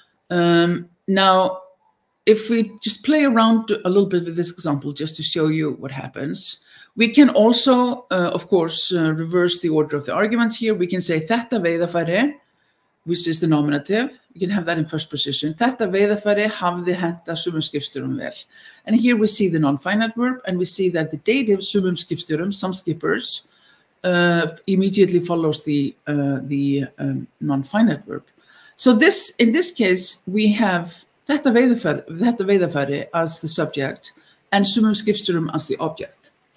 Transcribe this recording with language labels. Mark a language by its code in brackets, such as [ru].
[en] Now, if we just play around a little bit with this example, just to show you what happens, we can also, of course, reverse the order of the arguments here. We can say [is] þetta veiðarfæri, [en] which is the nominative. You can have that in first position. [is] Þetta veiðarfæri hafði henta sumum skipstjórum vel. [en] And here we see the non-finite verb, and we see that the dative [is] sumum skipstjórum, [en] some skippers, immediately follows the non-finite verb. So this, in this case, we have [is] þetta veiðarfæri [en] as the subject and [is] sumum skipstjórum [en] as the object.